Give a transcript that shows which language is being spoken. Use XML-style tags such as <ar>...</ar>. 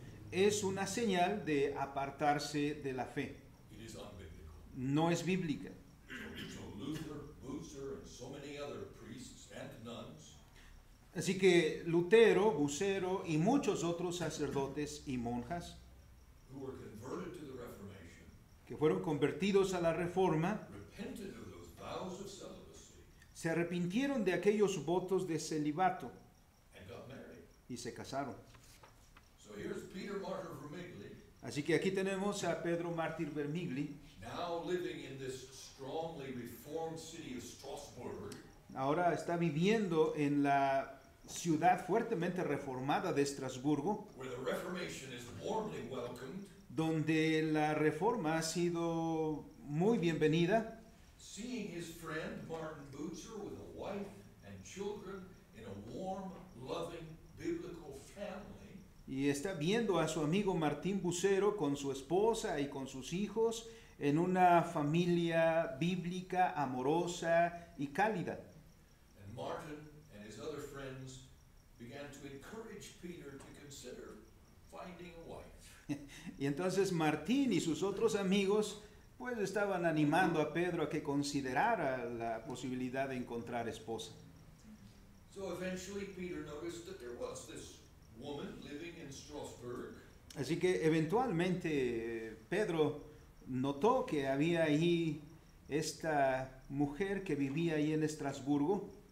<es>es una señal de apartarse de la fe.</es> <en>It is unbiblical.</en> <es>No es bíblica.</es> <en>So Luther, Bucer, and so many other priests and nuns,</en> <es>así que Lutero, Bucero y muchos otros sacerdotes y monjas</es> <en>who were converted to the Reformation,</en> <es>que fueron convertidos a la Reforma,</es> <en>repented of those vows of celibacy,</en> <es>se arrepintieron de aquellos votos de celibato</es> <en>and got married.</en> <es>Y se casaron.</es> <en>So here's Peter Martyr Vermigli.</en> <es>Así que aquí tenemos a Pedro Mártir Vermigli.</es> <en>Now living in this strongly reformed city of Strasbourg.</en> <es>Ahora está viviendo en la ciudad fuertemente reformada de Estrasburgo.</es> <en>Where the Reformation is warmly welcomed.</en> <es>Donde la Reforma ha sido muy bienvenida.</es> <en>Seeing his friend Martin Bucer with a wife and children in a warm, loving, biblical family.</en> <es>Y está viendo a su amigo Martín Bucero con su esposa y con sus hijos en una familia bíblica, amorosa y cálida.</es> <en>And Martin and his other friends began to encourage Peter to consider finding a wife.</en> <es>Y entonces Martín y sus otros amigos pues estaban animando a Pedro a que considerara la posibilidad de encontrar esposa.</es> <en>So eventually Peter noticed that there was this woman living in Strasbourg.</en> <es>Así que eventualmente Pedro notó que había ahí esta mujer que vivía ahí en Estrasburgo.</es>